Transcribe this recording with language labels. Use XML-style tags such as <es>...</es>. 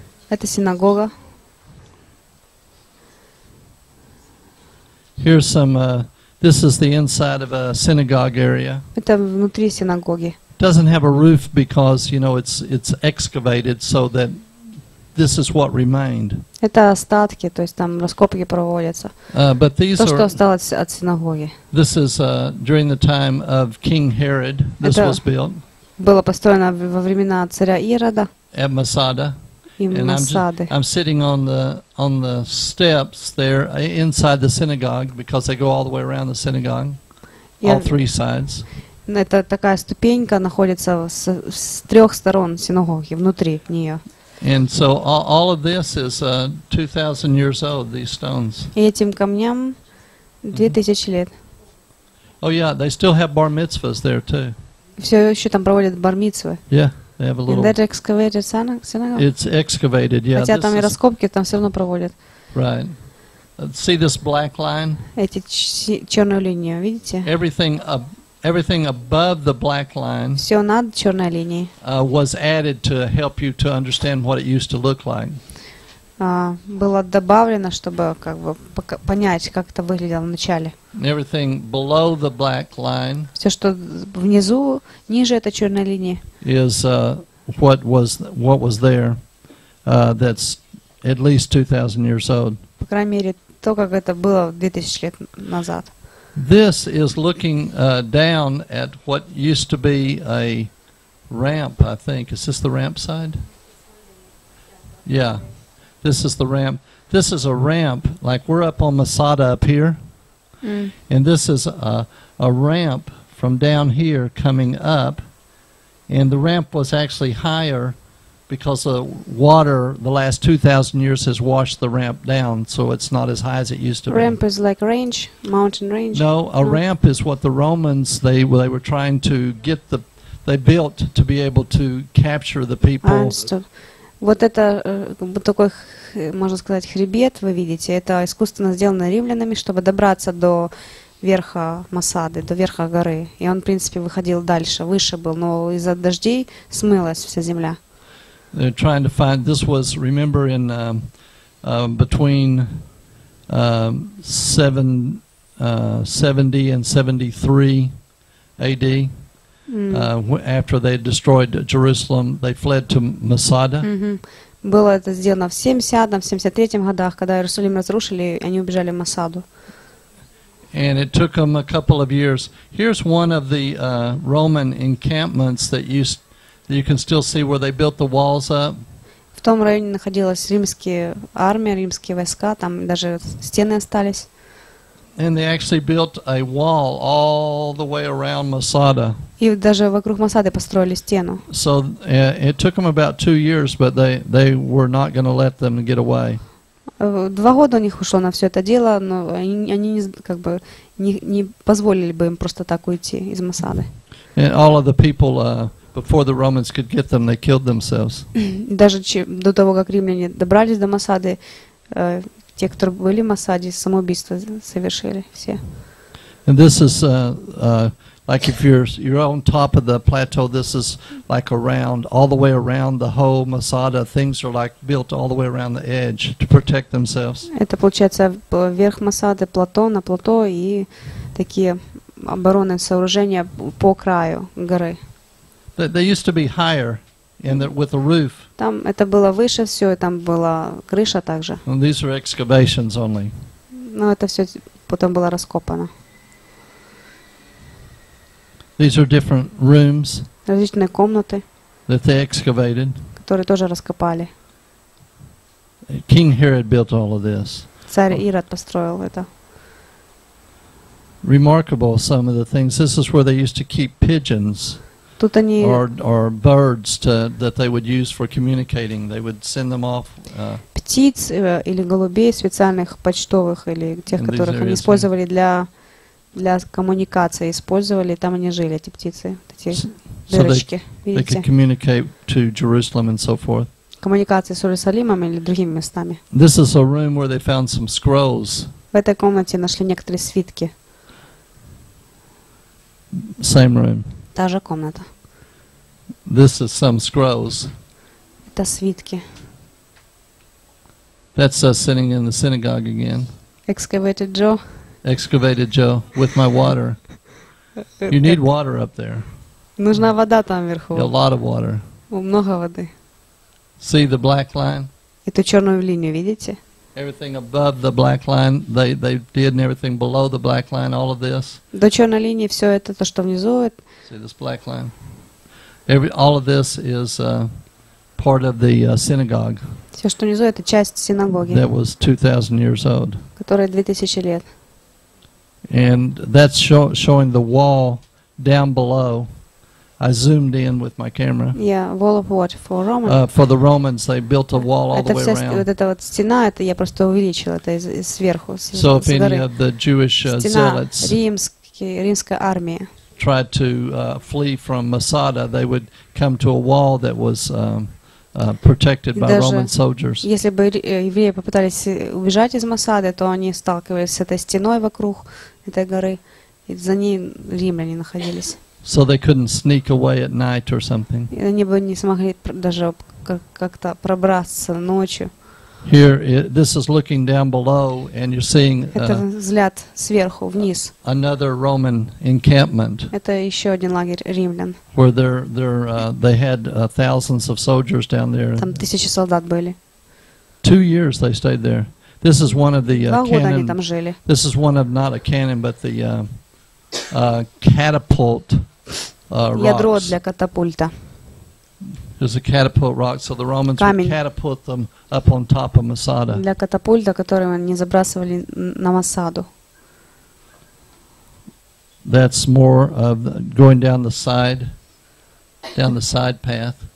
<ru>Это синагога.</ru> <en>Here's some. This is the inside of a synagogue area.</en> <ru>Это внутри синагоги.</ru> <en>Doesn't have a roof because you know it's excavated so that. This is what remained.</en> <ru>Это остатки, то есть там раскопки проводятся.</ru> <en>But these</en> <ru>то, что осталось от синагоги.</ru> <en>This is during the time of King Herod. This</en> <ru>это</ru> <en>was built.</en> <ru>Было построено во времена царя Ирода.</ru> <en>At Masada. In Masada. I'm sitting on the steps there inside the synagogue because they go all the way around the synagogue, all three sides.</en> <ru>Это такая ступенька находится с трех сторон синагоги внутри нее.</ru> <en>And so all of this is 2,000 years old. These stones.</en> <ru>Этим камням 2000 лет.</ru> <en>Oh yeah, they still have bar mitzvahs there too.</en> <ru>Все еще там проводят бар митцвы.</ru> <en>Yeah, they have a little. And that excavated synagogue. It's excavated, yeah.</en> <ru>Хотя там и раскопки там все равно проводят.</ru> <en>Right. See this black line?</en> <ru>Эти черную линию видите?</ru> <en>Everything above the black line was added to help you to understand what it used to look like.</en> <ru>Было добавлено, чтобы как бы понять, как это выглядело вначале.</ru> <en>Everything below the black line.</en> <ru>Все, что внизу, ниже этой черной линии.</ru> <en>Is what was there? That's at least 2,000 years old.</en> <ru>По крайней мере, то, как это было 2000 лет назад.</ru> <en>This is looking down at what used to be a ramp. I think is this the ramp side? Yeah, this is the ramp. This is a ramp. Like we're up on Masada up here. And this is a ramp from down here coming up, and the ramp was actually higher because the water the last 2,000 years has washed the ramp down, so it's not as high as it used to ramp be. Ramp is like range, mountain range. No, a ramp is what the Romans they were trying to get the they built to be able to capture the people.</en> <ru>Вот это вот такой, можно сказать, хребет, вы видите, это искусственно сделано римлянами, чтобы добраться до верха Масады, до верха горы. И он, в принципе, выходил дальше, выше был, но из-за дождей смылась вся земля.</ru> <en>They're trying to find, this was, remember, in between 70 and 73 AD. After they destroyed Jerusalem, they fled to Masada.</en> <ru>Было это сделано в 70-73 годах, когда Иерусалим разрушили, они убежали в Масаду.</ru> <en>And it took them a couple of years. Here's one of the Roman encampments that you can still see where they built the walls up.</en> <ru>В том районе находилась римская армия, римские войска, там даже стены остались.</ru> <en>And they actually built a wall all the way around Masada.</en> <ru>И даже вокруг Масады построили стену.</ru> <en>So it took them about 2 years, but they were not going to let them get away.</en> <ru>2 года у них ушло на все это дело, но они как бы не позволили бы им просто так уйти из Масады.</ru> <en>And all of the people before the Romans could get them, they killed themselves.</en> <ru>Даже до того, как римляне добрались до Масады, те, которые были в Масаде, самоубийство совершили все.</ru> <en>And this is like if you're on top of the plateau, this is like around, all the way around the whole Masada, things are like built all the way around the edge to protect themselves.</en> <ru>Это получается вверх Масады, плато на плато и такие оборонные сооружения по краю горы.</ru> <en>They used to be higher. And with a roof.</en> <ru>Там это было выше все, и там была крыша также.</ru> <en>And these are excavations only.</en> <ru>Но это все потом было раскопано.</ru> <en>These are different rooms.</en> <ru>Различные комнаты.</ru> <en>That they excavated.</en> <ru>Которые тоже раскопали.</ru> <en>King Herod built all of this.</en> <ru>Царь Ирод построил это.</ru> <en>Remarkable, some of the things. This is where they used to keep pigeons. Or birds that they would use for communicating. They would send them off.</en> <ru>Птиц или голубей специальных почтовых или тех, которых они использовали для коммуникации, использовали. Там они жили эти птицы, эти дырочки.</ru> <en>They could communicate to Jerusalem and so forth.</en> <ru>Коммуникации с Иерусалимом или другими местами.</ru> <en>This is a room where they found some scrolls.</en> <ru>В этой комнате нашли некоторые свитки.</ru> <en>Same room.</en> <ru>Та же комната.</ru> <en>This is some scrolls.</en> <ru>Это свитки.</ru> <en>That's us sitting in the synagogue again. Excavated Joe. Excavated Joe with my water. You need water up there.</en> <ru>Нужна вода там вверху.</ru> <en>A lot of water.</en> <ru>Много воды.</ru> <en>See the black line?</en> <ru>Эту черную линию видите?</ru> <en>Everything above the black line, they did, and everything below the black line, all of this.</en> <ru>До черной линии все это то, что внизу.</ru> <en>See this black line. All of this is part of the synagogue.</en> <ru>Все, что внизу, это часть синагоги.</ru> <en>That was 2,000 years old.</en> <ru>Которая 2000 лет.</ru> <en>And that's showing the wall down below. I zoomed in with my camera. Yeah, wall of what? For Romans? For the Romans, they built a wall all the way around.</en> <ru>Это вся вот эта вот стена, это я просто увеличила, это сверху.</ru> <en>So if any of the Jewish zealots</en> <ru>римская армия</ru> <en>tried to flee from Masada, they would come to a wall that was protected by Roman soldiers.</en> <ru>Если бы евреи попытались убежать из Масады, то они сталкивались с этой стеной вокруг этой горы, и за ней римляне находились.</ru> <en>So they couldn't sneak away at night or something.</en> <ru>Они бы не смогли даже как-то пробраться ночью.</ru> <en>Here, this is looking down below, and you're seeing</en> <ru>взгляд сверху вниз.</ru> <en>Another Roman encampment.</en> <ru>Это еще один лагерь римлян.</ru> <en>Where they had thousands of soldiers down there.</en> <ru>Там тысячи солдат были.</ru> <en>2 years they stayed there. This is one of the cannon.</en> <ru>Там жили.</ru> <en>This is one of not a cannon, but the catapult rocks.</en> <ru>Ядро для катапульта.</ru> <en>There's a catapult rock, so the Romans</en> <ru>Камень.</ru> <en>Would catapult them up on top of Masada.</en> <ru>Для катапульта, который они забрасывали на Масаду.</ru> <en>That's more of going down the side path.</en>